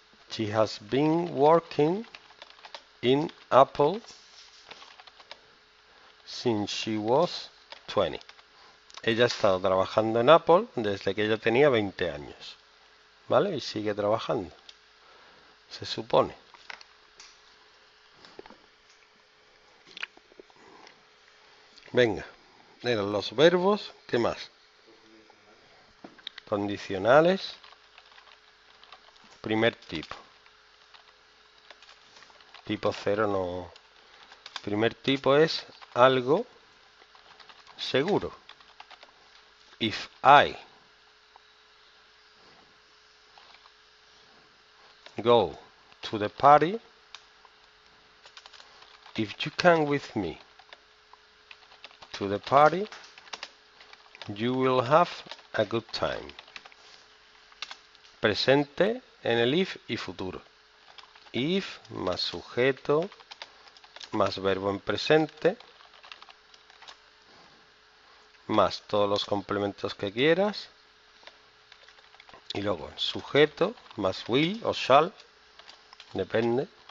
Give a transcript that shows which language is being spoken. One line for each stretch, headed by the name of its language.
English: She has been working in Apple since she was 20.
Spanish: Ella ha estado trabajando en Apple desde que ella tenía 20 años. ¿Vale? Y sigue trabajando. Se supone. Venga. Eran los verbos. ¿Qué más? Condicionales. primer tipo. Tipo 0 no. Primer tipo es algo seguro.
English: If I go to the party, if you come with me to the party, you will have a good time.
Spanish: Presente en el if y futuro. If más sujeto más verbo en presente más todos los complementos que quieras. Y luego sujeto más will o shall, depende.